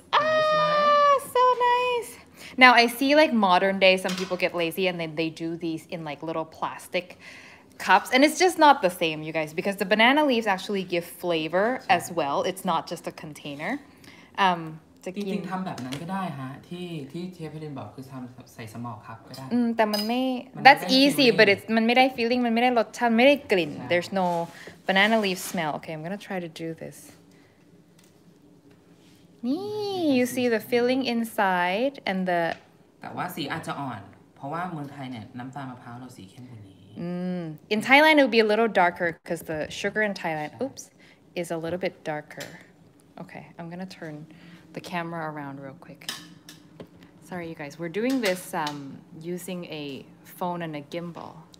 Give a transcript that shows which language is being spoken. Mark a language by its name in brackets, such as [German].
[English] Ah, so nice. Now, I see like modern day, some people get lazy and then they do these in like little plastic cups. And it's just not the same, you guys, because the banana leaves actually give flavor as well. It's not just a container. [Thai] จริงๆทำแบบนั้นก็ได้ฮะที่เชฟเพลินบอกคือทำใส่สมอลคัพก็ได้ แต่มันไม่ [English] That's easy but it's [Thai] มันไม่ได้ [English] feeling [Thai] มันไม่ได้รสชาติไม่ได้กลิ่น [English] There's no banana leaf smell. Okay, I'm gonna try to do this. You see the filling inside and the [Thai] แต่ว่าสีอาจจะอ่อนเพราะว่าเมืองไทยเนี่ยน้ำตาลมะพร้าวเราสีเข้มกว่านี้ [English] In Thailand, it would be a little darker because the sugar in Thailand, oops, is a little bit darker. Okay, I'm gonna turn the camera around real quick. Sorry, you guys. We're doing this using a phone and a gimbal.